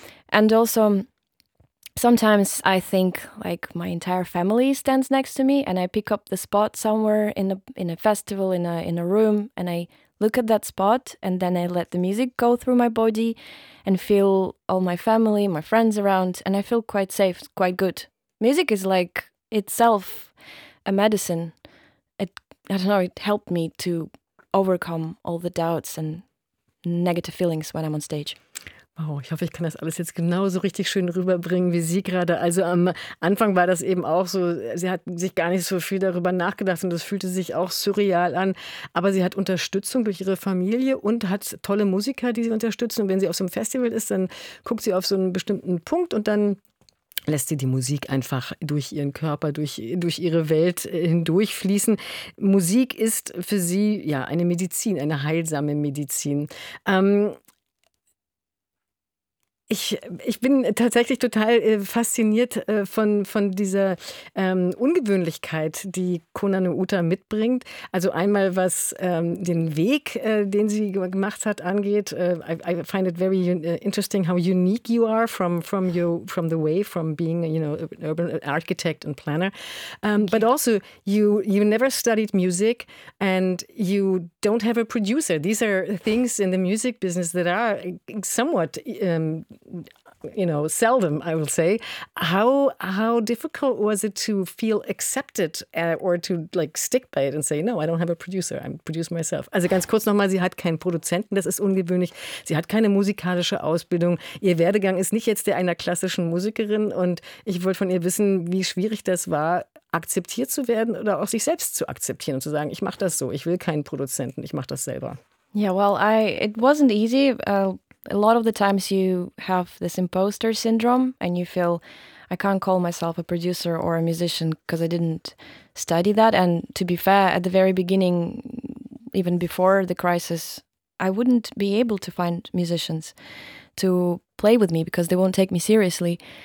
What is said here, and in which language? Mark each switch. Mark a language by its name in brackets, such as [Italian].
[English] And also sometimes I think like my entire family stands next to me and I pick up the spot somewhere in a festival, in a room, and I look at that spot and then I let the music go through my body and feel all my family, my friends around, and I feel quite safe, quite good. Music is like itself a medicine. It helped me to overcome all the doubts and negative feelings when I'm on stage. [German] Oh, ich hoffe, ich kann das alles jetzt genauso richtig schön rüberbringen wie Sie gerade. Also am Anfang war das eben auch so, sie hat sich gar nicht so viel darüber nachgedacht und das fühlte sich auch surreal an. Aber sie hat Unterstützung durch ihre Familie und hat tolle Musiker, die sie unterstützen. Und wenn sie auf so einem Festival ist, dann guckt sie auf so einen bestimmten Punkt und dann lässt sie die Musik einfach durch ihren Körper, durch ihre Welt hindurchfließen. Musik ist für sie ja eine Medizin, eine heilsame Medizin. Ich bin tatsächlich total fasziniert von dieser Ungewöhnlichkeit, die Kona Nuuta mitbringt. Also einmal, was den Weg, den sie gemacht hat, angeht. [English] I find it very interesting how unique you are from the way, from being, you know, an urban architect and planner. But also, you never studied music and you don't have a producer. These are things in the music business that are somewhat... you know, seldom, I will say. How difficult was it to feel accepted or to like stick by it and say, no, I don't have a producer, I produce myself. [German] Also ganz kurz nochmal, sie hat keinen Produzenten, das ist ungewöhnlich. Sie hat keine musikalische Ausbildung. Ihr Werdegang ist nicht jetzt der einer klassischen Musikerin und ich wollte von ihr wissen, wie schwierig das war, akzeptiert zu werden oder auch sich selbst zu akzeptieren und zu sagen, ich mache das so, ich will keinen Produzenten, ich mache das selber. [English] Yeah, well, it wasn't easy. A lot of the times you have this imposter syndrome and you feel, I can't call myself a producer or a musician because I didn't study that. And to be fair, at the very beginning, even before the crisis, I wouldn't be able to find musicians to play with me because they won't take me seriously.